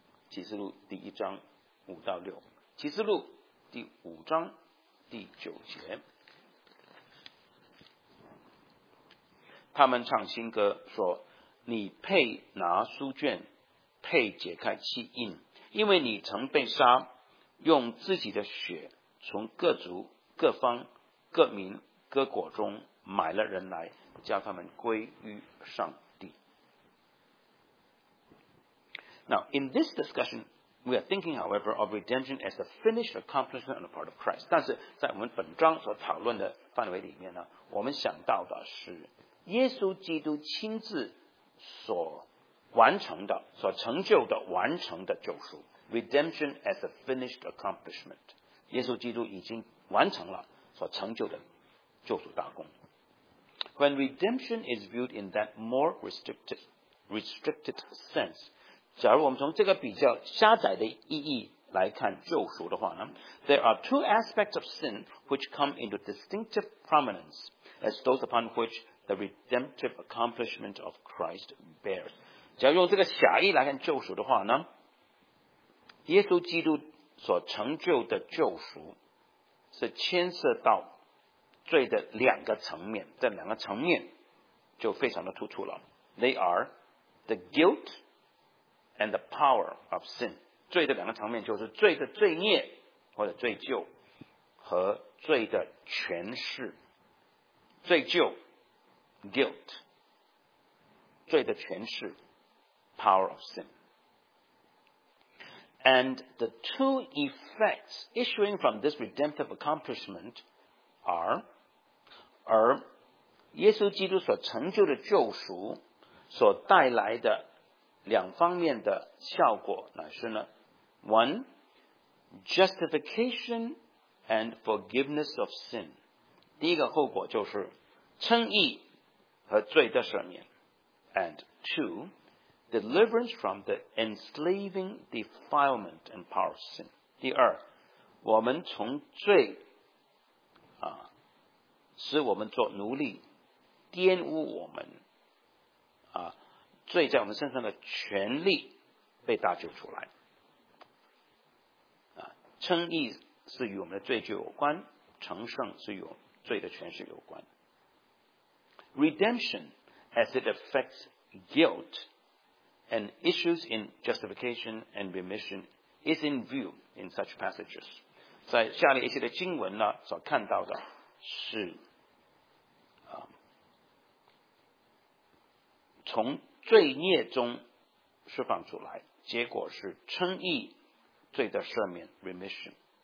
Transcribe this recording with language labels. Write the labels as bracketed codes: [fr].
[zh] 启示录第一章五到六，启示录第五章第九节，他们唱新歌说，你配拿书卷，配解开七印，因为你曾被杀，用自己的血从各族各方各民各国中买了人来，叫他们归于上帝。 [en] Now in this discussion we are thinking however of redemption as a finished accomplishment on the part of Christ. [zh] 但是在我们本章所讨论的范围里面呢，我们想到的是耶稣基督亲自所完成的、所成就的、完成的救赎 ， [en] redemption as a finished accomplishment， [zh] 耶稣基督已经完成了所成就的救赎大功。 [en] When redemption is viewed in that more restricted sense， [zh] 假如我们从这个比较狭窄的意义来看救赎的话呢 [en] ，there are two aspects of sin which come into distinctive prominence as those upon which the redemptive accomplishment of Christ bears. [zh] 只要用这个狭义来看救赎的话呢，耶稣基督所成就的救赎是牵涉到罪的两个层面，这两个层面就非常的突出了。 [en] They are the guilt and the power of sin。 [zh] 罪的两个层面就是罪的罪孽或者罪疚和罪的权势。罪疚 guilt， 罪的权势 power of sin。 [en] And the two effects issuing from this redemptive accomplishment are， [zh] 而耶稣基督所成就的救赎所带来的两方面的效果乃是呢 [en] ，one justification and forgiveness of sin。 [zh] 第一个后果就是称义和罪的赦免 ， [en] and two。 Deliverance from the enslaving defilement and power of sin. [zh] 第二，我们从罪啊，使我们做奴隶，玷污我们啊，罪在我们身上的权利被搭救出来啊。称义是与我们的罪就有关，成圣是与罪的权势有关。 [en] Redemption as it affects guilt. And issues in justification and remission is in view in such passages. [zh] 在下列一些的经文呢，所看到的是，从罪孽中释放出来，结果是称义、罪的赦免 remission。